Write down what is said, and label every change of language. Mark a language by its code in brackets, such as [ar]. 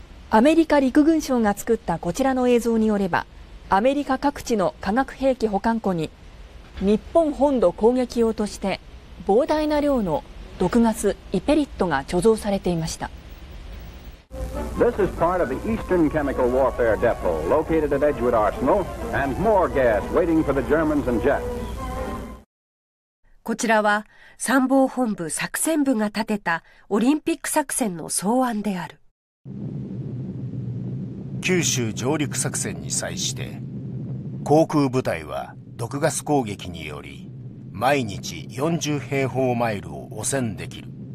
[ja] アメリカ陸軍省が作ったこちらの映像によれば、アメリカ各地の化学兵器保管庫に日本本土攻撃用として膨大な量の毒ガスイペリットが貯蔵されていました。 [en] This is part of the Eastern Chemical Warfare Depot located at Edgewood Arsenal and more gas waiting for the Germans and Jets。 [ja] こちらは参謀本部作戦部が立てたオリンピック作戦の草案である。九州上陸作戦に際して航空部隊は毒ガス攻撃により毎日40平方マイルを汚染できる。